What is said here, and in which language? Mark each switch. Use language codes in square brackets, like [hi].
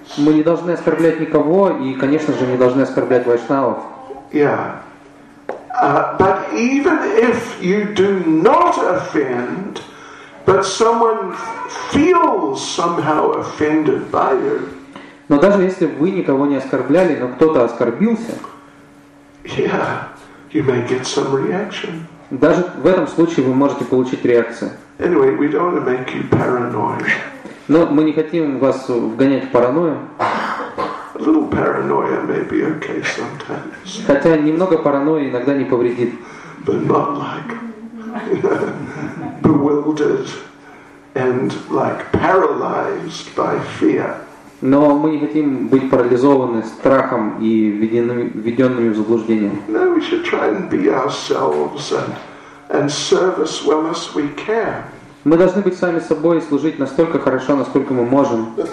[ru] Мы не должны оскорблять никого, и, конечно же, не должны оскорблять вайшнавов. [en] Yeah. But even if you do not offend, but someone feels somehow offended by you. [ru] Но даже если вы никого не оскорбляли, но кто-то оскорбился. [en] Yeah. You may get some reaction. [ru] Даже в этом случае вы можете получить реакцию. [en] Anyway, we don't want to make you paranoid. [ru] Но мы не хотим вас вгонять в паранойю. [en] A little paranoia may be okay sometimes. [ru] Хотя немного паранойи иногда не повредит. [en] But not like bewildered and like paralyzed by fear. [ru] Но мы не хотим быть парализованы страхом и введенными в заблуждение. [en] No, we should try and be ourselves and serve as well as we can. [ru] Мы должны быть сами собой и служить настолько хорошо, насколько мы можем.